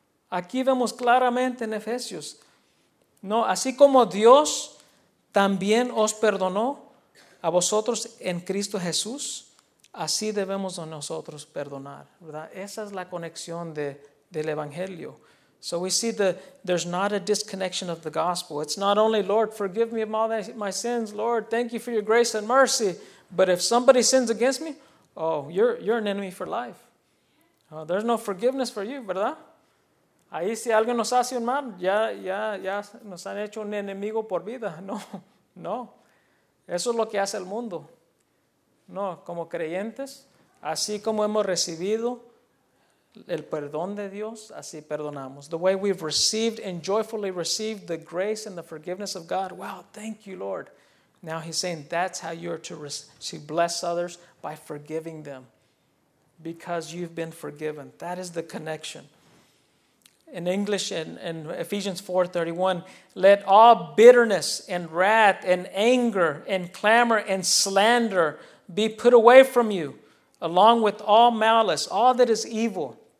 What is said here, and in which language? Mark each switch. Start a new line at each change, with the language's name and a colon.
Spanish: Aquí vemos claramente en Efesios, no, así como Dios también os perdonó a vosotros en Cristo Jesús, así debemos nosotros perdonar, ¿verdad? Esa es la conexión del Evangelio.
English: So we see that there's not a disconnection of the gospel. It's not only, Lord, forgive me of all my sins. Lord, thank you for your grace and mercy. But if somebody sins against me, oh, you're an enemy for life. Oh, there's no forgiveness for you, ¿verdad?
Spanish: Ahí si alguien nos hace un mal, ya nos han hecho un enemigo por vida. No. Eso es lo que hace el mundo. No, como creyentes, así como hemos recibido el perdón de Dios, así perdonamos.
English: The way we've received and joyfully received the grace and the forgiveness of God. Wow, thank you, Lord. Now he's saying that's how you're to bless others, by forgiving them. Because you've been forgiven. That is the connection. In English, in Ephesians 4:31, let all bitterness and wrath and anger and clamor and slander be put away from you, along with all malice, all that is evil.